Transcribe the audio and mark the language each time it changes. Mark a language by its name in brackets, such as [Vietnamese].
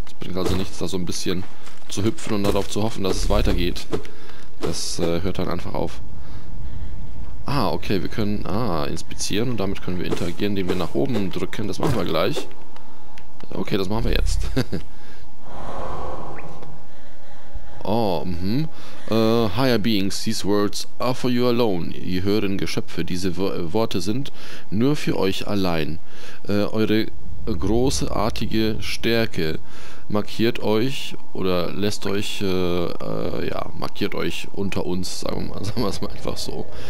[German] Es bringt also nichts, da so ein bisschen zu hüpfen und darauf zu hoffen, dass es weitergeht. Das hört dann einfach auf. Ah, okay, wir können inspizieren und damit können wir interagieren, indem wir nach oben drücken. Das machen wir gleich. Okay, das machen wir jetzt. [English] Oh, higher beings, these words are for you alone. [German] Ihr höheren Geschöpfe, diese Worte sind nur für euch allein. Eure großartige Stärke markiert euch oder lässt euch, markiert euch unter uns, sagen wir es mal einfach so.